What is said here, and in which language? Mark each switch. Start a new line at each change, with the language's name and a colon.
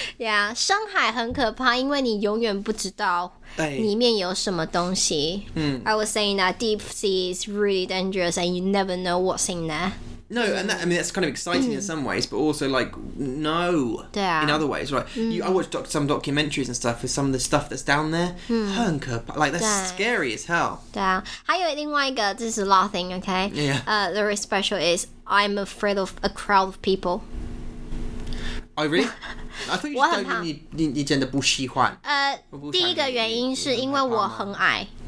Chinese: Yeah, 深海很可怕，因为你永远不知道里面有什么东西。
English: I was saying that deep sea is really dangerous and you never know what's in there. No, and that, I mean, that's kind of exciting in some ways, but also, like, no, in other ways, right? I watch some documentaries and stuff with some of the stuff that's down there. Like, that's scary as hell.
Chinese: 对啊，还有另外一个，这是
English: law thing, okay? Yeah. The very special is, I'm afraid of a crowd of people. Oh, really? I thought you just told me you
Chinese: 真的不喜欢。第一个原因是因为我很矮。